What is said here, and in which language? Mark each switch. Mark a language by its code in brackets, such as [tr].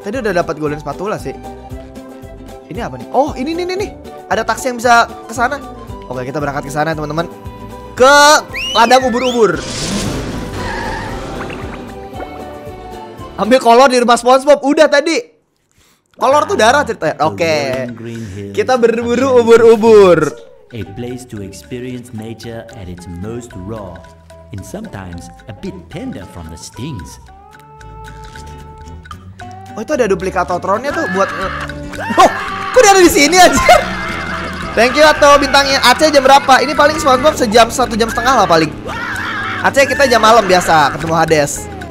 [id] Tadi udah dapat golden spatula sih. Ini apa nih? Oh, ini nih. Ada taksi yang bisa ke sana. Oke, kita berangkat ke sana teman-teman. Ke ladang ubur-ubur. Ambil kolor di rumah SpongeBob. Udah tadi. Kolor tuh darah ceritanya. Oke. Kita berburu ubur-ubur. [en] A place to experience nature at its most raw and sometimes a bit tender from the stings. [id] Oh, itu ada duplikatotronnya tuh buat Oh, kok dia ada di sini anjir? [en] Thank you [id] atau bintangnya. Aceh jam berapa? Ini paling SpongeBob sejam, satu jam setengah lah paling. Aceh kita jam malam biasa ketemu Hades.